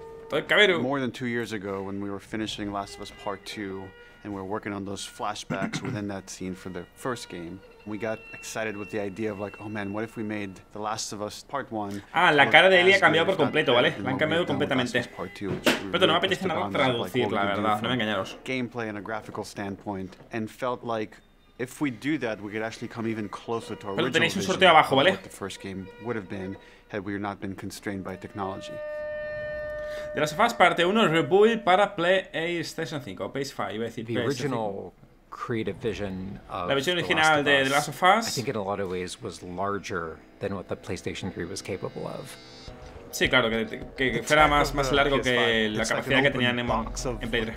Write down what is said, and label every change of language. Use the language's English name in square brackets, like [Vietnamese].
[English] More than 2 years ago, when we were finishing Last of Us Part 2, and we were working on those flashbacks within that scene for the first game, we got excited with the idea of like, oh man, what if we made The Last of Us Part 1? [Spanish] Ah, la cara de Ellie ha cambiado por completo, ¿vale? La han cambiado completamente. Pero no me apetece nada traducir, la verdad, no me engañaros. [English] Gameplay and a graphical standpoint, and felt like if we do that, we could actually come even closer to our original vision. [Spanish] Pero tenéis un sorteo abajo, ¿vale? [English] What the first game would have been had we not been constrained by technology. [Spanish] The Last of Us Part 1 Rebuild para PlayStation 5, PS5, iba a decir PlayStation. [English] The original creative vision of [Spanish] la visión original de The Last of Us, [English] I think in a lot of ways was larger than what the PlayStation 3 was capable of. [Spanish] Sí, claro, que fuera más largo que la capacidad que tenían en Play 3.